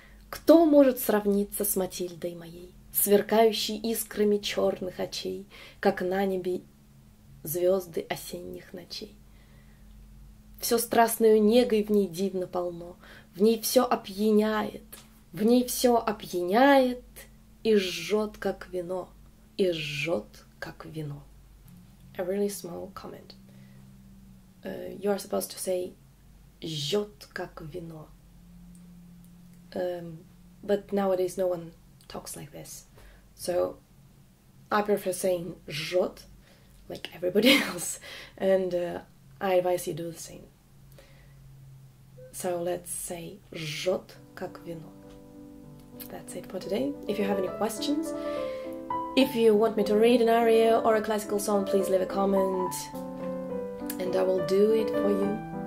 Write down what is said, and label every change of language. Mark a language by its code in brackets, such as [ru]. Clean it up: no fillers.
[ru] Кто может сравниться с Матильдой моей, сверкающий искрами черных очей, как на небе звезды осенних ночей? Все страстную негой в ней дивно полно, в ней все опьяняет, в ней все опьяняет и жжет, как вино, и жжет, как вино. [en] A really small comment. You are supposed to say [ru] жжет, как вино. [en] But nowadays no one talks like this. So, I prefer saying жжет, like everybody else, and I advise you do the same. So, let's say [ru] жжет, как вино. [en] That's it for today. If you have any questions, if you want me to read an aria or a classical song, please leave a comment, and I will do it for you.